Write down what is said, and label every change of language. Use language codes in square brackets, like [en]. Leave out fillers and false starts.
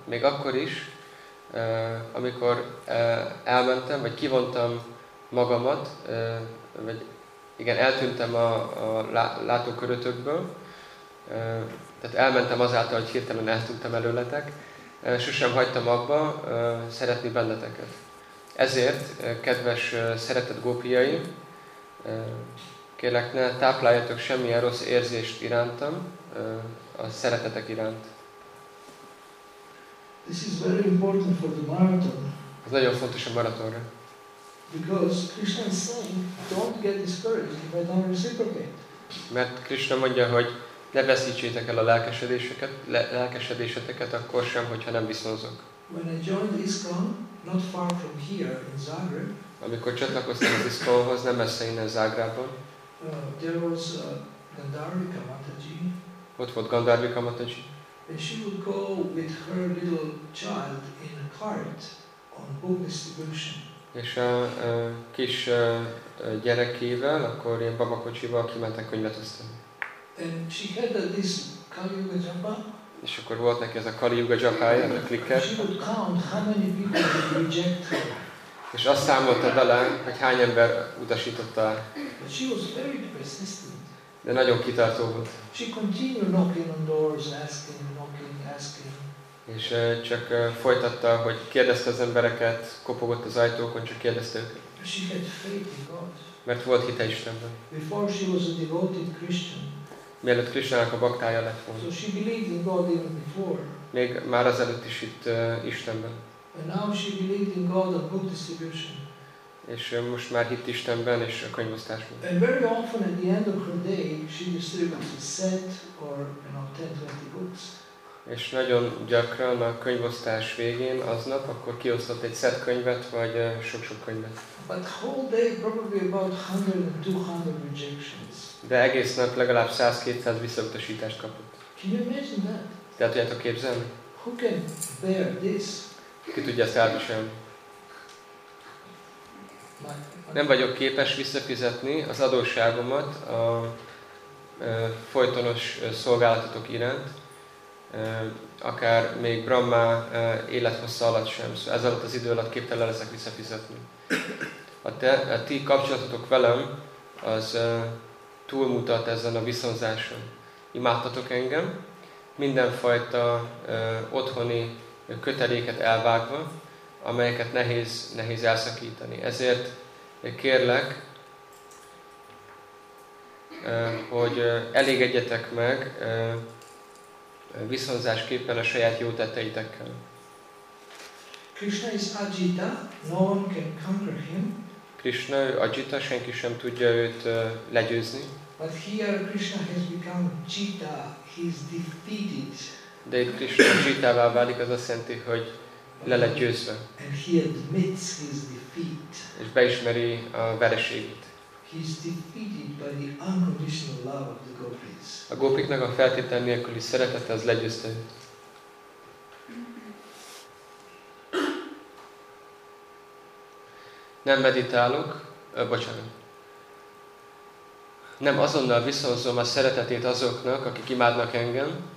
[hu] Még akkor is, amikor elmentem, vagy kivontam magamat, vagy igen, eltűntem a látókörötökből, tehát elmentem azáltal, hogy hirtelen eltűntem előletek, sosem hagytam abba szeretni benneteket. Ezért, kedves, szeretett gópiaim, kérlek, ne tápláljatok semmilyen rossz érzést irántam, a szeretetek iránt. [en] This is very important for the marathon. [hu] Ez nagyon fontos a maratonra. [en] Because Krishna is saying, don't get discouraged if I don't reciprocate. [hu] Mert Krishna mondja, hogy ne veszítsétek el a lelkesedéseteket akkor sem, hogyha nem viszonzok. [en] When I joined ISKCON, not far from here in Zagreb. [hu] Amikor csatlakoztam az ISKCON-hoz, nem messze innen Zágrában. [en] There was Gandharvika Mataji. [hu] Ott volt Gandharvika Mataji. [en] And she would go with her little child in a cart on book distribution. [hu] És a kis gyerekével, akkor ilyen babakocsival kimentek könyvet osztani. [en] And she had this Kali Yuga Japa. [hu] És akkor volt neki ez a Kali Yuga Japa-ja, a clicker. [en] She would count how many people would reject her. [hu] És azt számolta bele, hogy hány ember utasította el. [en] But she was very persistent. [hu] De nagyon kitartó volt. [en] She continued knocking on doors, asking, knocking, asking. [hu] És csak folytatta, hogy kérdezte az embereket, kopogott az ajtókon, csak kérdezte őket. [en] She had faith in God. [hu] Mert volt hite Istenben. [en] Before she was a devoted Christian. [hu] Mielőtt Krisztának a baktája lett volna. [en] So she believed in God even before. [hu] Még már azelőtt is itt Istenben. [en] And now she believed in God and book distribution. [hu] És most már hitt Istenben és a könyvosztásban. [en] And very often at the end of her day, she distributes a set or you know, 10-20 books. [hu] És nagyon gyakran a könyvosztás végén aznap akkor kiosztott egy szett könyvet vagy sok-sok könyvet. [en] But whole day probably about 100-200 rejections. [hu] De egész nap legalább 100-200 visszautasítást kapott. [en] Can you imagine that? [hu] De el tudjátok képzelni? [en] Who can bear this? [hu] Ki tudja ezt elviselni? Nem vagyok képes visszafizetni az adósságomat a folytonos szolgálatotok iránt, akár még Brahma élethossza alatt sem. Szóval ez alatt az idő alatt képtelen leszek visszafizetni. A ti kapcsolatotok velem az túlmutat ezen a viszonzáson. Imádtatok engem, mindenfajta otthoni köteléket elvágva, amelyeket nehéz elszakítani. Ezért kérlek, hogy elégedjetek meg viszonzásképpen a saját jó tetteitekkel. [en] Krishna is Ajita, no one can conquer him. [hu] Krishna, Ajita, senki sem tudja őt legyőzni. [en] But here Krishna has become Jita, he is defeated. [hu] De itt Krishna Jitává válik, az azt jelenti, hogy le lett győzve. [en] And he admits his defeat. [hu] És beismeri a vereségét. [en] He is defeated by the unconditional love of the gopis. [hu] A gópiknak a feltétel nélküli szeretete az legyőzte. Nem meditálok, bocsánat. Nem azonnal visszahozom a szeretetét azoknak, akik imádnak engem.